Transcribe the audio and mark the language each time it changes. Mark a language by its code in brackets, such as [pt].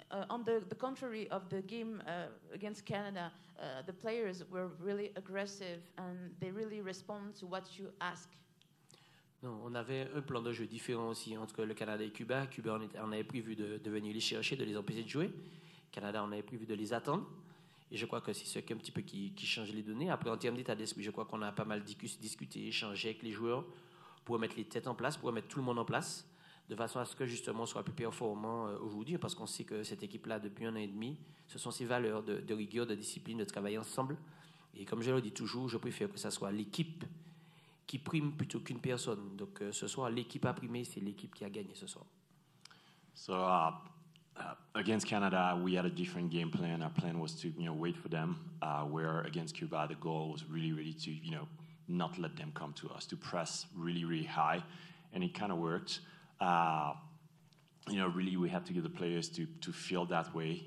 [en] On the contrary of the game against Canada, the players were really aggressive and they really respond to what you ask. [fr] Non, on avait un plan de jeu différent aussi entre le Canada et Cuba. Cuba, on avait prévu de venir les chercher, de les empêcher de jouer. Canada, on avait prévu de les attendre. Et je crois que c'est ce qui un petit peu qui change les données. Après, en termes d'état d'esprit, je crois qu'on a pas mal discuté, échangé avec les joueurs pour mettre les têtes en place, pour mettre tout le monde en place, de façon à ce que justement on soit plus performant aujourd'hui, parce qu'on sait que cette équipe-là, depuis un an et demi, ce sont ses valeurs de rigueur, de discipline, de travailler ensemble. Et comme je le dis toujours, je préfère que ce soit l'équipe qui prime plutôt qu'une personne. Donc ce soir, l'équipe a primé, c'est l'équipe qui a gagné ce soir. [en] So against Canada, we had a different game plan. Our plan was to, you know, wait for them. Where against Cuba, the goal was really, really to, you know, not let them come to us, to press really, really high, and it kind of worked. You know, really, we had to get the players to feel that way.